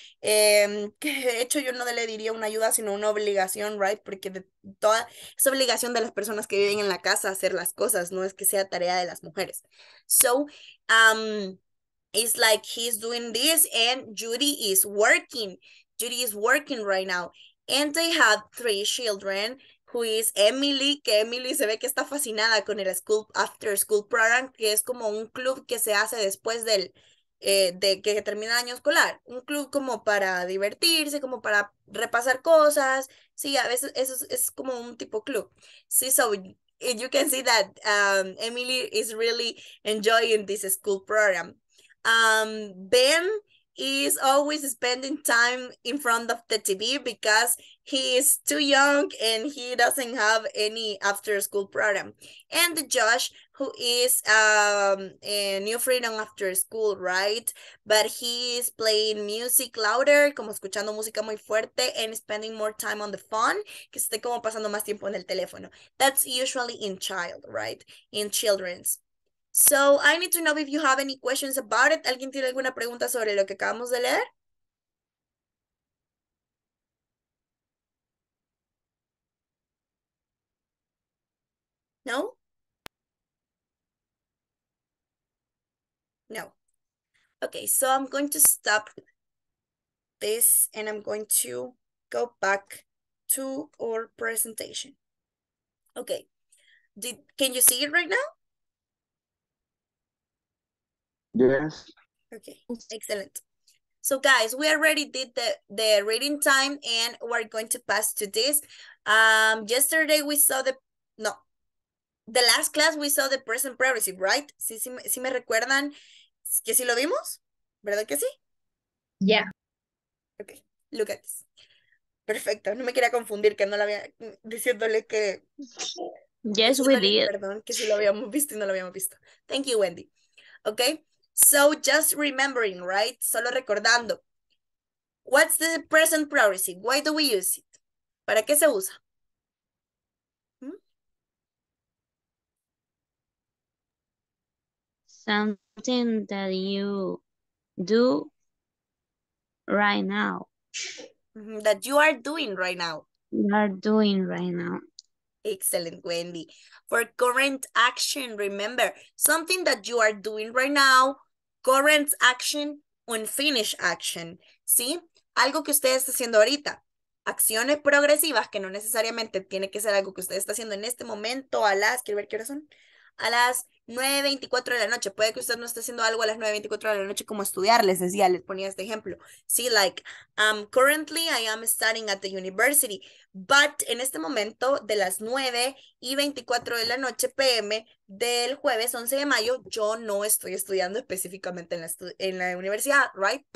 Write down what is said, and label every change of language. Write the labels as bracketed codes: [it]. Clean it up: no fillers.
[es] Que de hecho yo no le diría una ayuda, sino una obligación, right? Porque de toda es obligación de las personas que viven en la casa hacer las cosas, no es que sea tarea de las mujeres. [en] So, it's like he's doing this and Judy is working. Judy is working right now. And they have three children. Who is [es] Emily, que Emily se ve que está fascinada con el school after school program, que es como un club que se hace después del de que termina el año escolar. Un club como para divertirse, como para repasar cosas. Sí, a veces eso es como un tipo club. [en] Sí, so you can see that Emily is really enjoying this school program. Ben is always spending time in front of the TV because he is too young and he doesn't have any after school program. And Josh, who is a new freedom after school, right? But he is playing music louder, [es] como escuchando música muy fuerte, [en] and spending more time on the phone, [es] que esté como pasando más tiempo en el teléfono. [en] That's usually in child, right? In children's. So, I need to know if you have any questions about it. [es] ¿Alguien tiene alguna pregunta sobre lo que acabamos de leer? No? No. [en] Okay, so I'm going to stop this and I'm going to go back to our presentation. Okay. Can you see it right now? Yes. Okay, excellent. So guys, we already did the reading time and we're going to pass to this. Yesterday we saw the last class we saw the present progressive, right? [es] Sí, sí, sí me recuerdan que sí lo vimos, ¿verdad que sí? [en] Yeah. Okay, look at this. [es] Perfecto, no me quería confundir que no lo había, diciéndole que... [en] Yes, we did. [es] Perdón, que sí lo habíamos visto y no lo habíamos visto. [en] Thank you, Wendy. Okay. So just remembering, right? [es] Solo recordando. [en] What's the present progressive? Why do we use it? [es] ¿Para qué se usa? [en] Something that you do right now. That you are doing right now. You are doing right now. Excellent, Wendy. For current action, remember, something that you are doing right now, current action, unfinished action, ¿sí? [es] Algo que usted está haciendo ahorita. Acciones progresivas, que no necesariamente tiene que ser algo que usted está haciendo en este momento a las, quiero ver qué horas son, a las 9:24 de la noche. Puede que usted no esté haciendo algo a las 9:24 de la noche como estudiar, les decía, les ponía este ejemplo. Sí, [en] like, currently I am studying at the university, but [es] en este momento de las 9:24 de la noche PM del jueves 11 de mayo, yo no estoy estudiando específicamente en la universidad, right?